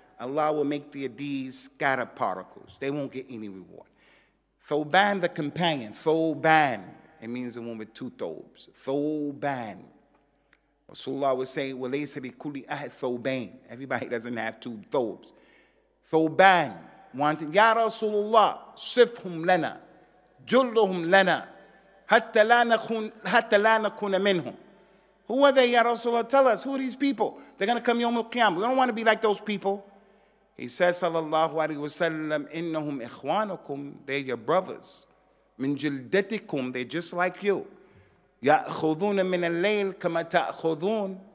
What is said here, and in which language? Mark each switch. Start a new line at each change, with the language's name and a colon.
English: Allah will make the adiz scatter particles. They won't get any reward. Thoban, the companion. Thoban. It means the one with two thobes. Thoban. Rasulullah would say,
Arabic: وَلَيْسَ لِكُلِّ أَهْدْ ثَوْبَيْنِ.
English: Everybody doesn't have two thobes. Thoban.
Arabic: Ya Rasulullah, صِفْهُمْ لَنَا جُلُّهُمْ لَنَا حَتَّى لَا نَكُونَ مِنْهُمْ.
English: Who are they, Ya Rasulullah? Tell us, who are these people? They're going to come
Arabic: يوم القيامة.
English: We don't want to be like those people. He says, sallallahu alayhi wa sallam,
Arabic: innahum ikhwanukum,
English: they're your brothers.
Arabic: Min jildatikum,
English: they're just like you.
Arabic: Ya'khuduna min al-layl kama ta'khudun.